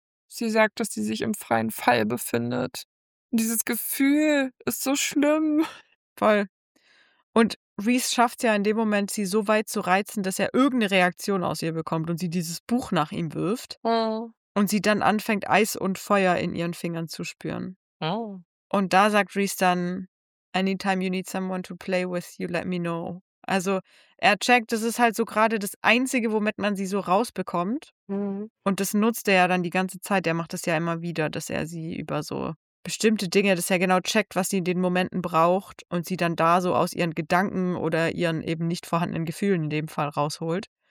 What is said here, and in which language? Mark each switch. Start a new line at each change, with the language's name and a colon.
German: Sie sagt, dass sie sich im freien Fall befindet. Dieses Gefühl ist so schlimm. Voll. Und Reese schafft ja in dem Moment, sie so weit zu reizen, dass er irgendeine Reaktion aus ihr bekommt und sie dieses Buch nach ihm wirft. Oh. Und sie dann anfängt, Eis und Feuer in ihren Fingern zu spüren. Oh. Und da sagt Reese dann,
English: anytime you need someone to play with, you let me know.
German: Also er checkt, das ist halt so gerade das Einzige, womit man sie so rausbekommt. Mhm. Und das nutzt er ja dann die ganze Zeit. Er macht das ja immer wieder, dass er sie über so bestimmte Dinge, dass er genau checkt, was sie in den Momenten braucht und sie dann da so aus ihren Gedanken oder ihren eben nicht vorhandenen Gefühlen in dem Fall rausholt.